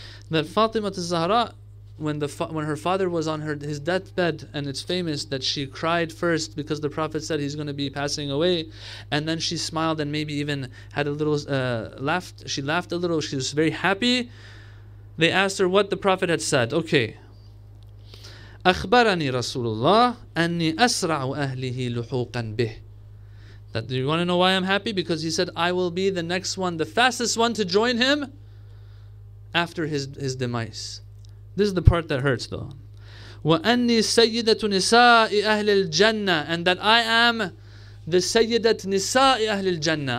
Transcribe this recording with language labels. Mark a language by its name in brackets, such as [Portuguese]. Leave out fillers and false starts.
[English] That Fatima al-Zahra, when her father was on his deathbed, and it's famous that she cried first because the Prophet said he's going to be passing away, and then she smiled and maybe even had a little laughed. She laughed a little. She was very happy. They asked her what the Prophet had said. Okay. [Arabic] أخبرني رسول الله أني أسرع أهله لحوقا به. [English] That, do you want to know why I'm happy? Because he said, I will be the next one, the fastest one to join him after his demise. This is the part that hurts though. [Arabic] وَأَنِّي سَيِّدَةُ نِسَاءِ أَهْلِ الْجَنَّةِ. [English] And that I am the [Arabic] سَيِّدَةُ نِسَاءِ أَهْلِ الْجَنَّةِ.